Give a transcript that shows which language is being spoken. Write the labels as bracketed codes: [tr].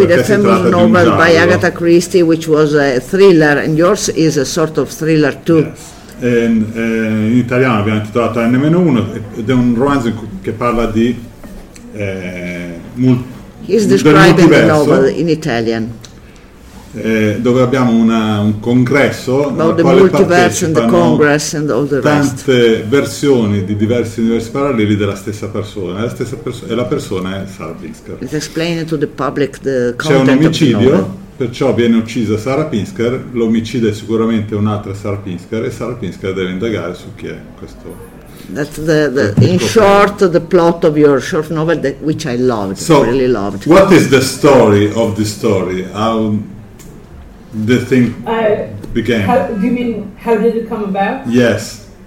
[en] with a famous novel by Agatha Christie, which was a thriller, and yours is a sort of thriller too. Yes. [it] In italiano abbiamo intitolato N-1 ed è un romanzo che parla di [en] He's describing the novel in Italian. [it] Dove abbiamo un congresso [en] about the multiverse and the congress and all the rest. [it] Tante versioni di diversi universi paralleli della stessa persona. La stessa persona e la persona è Sarah Pinsker. [en] It's explained to the public the content. [it] C'è un omicidio, perciò viene uccisa Sarah Pinsker. L'omicida è sicuramente un'altra Sarah Pinsker e Sarah Pinsker deve indagare su chi è questo. [en] That's the in short the plot of your short novel that which I loved, so really loved. What is the story of the story? How the thing began? Do you mean how did it come about? Yes.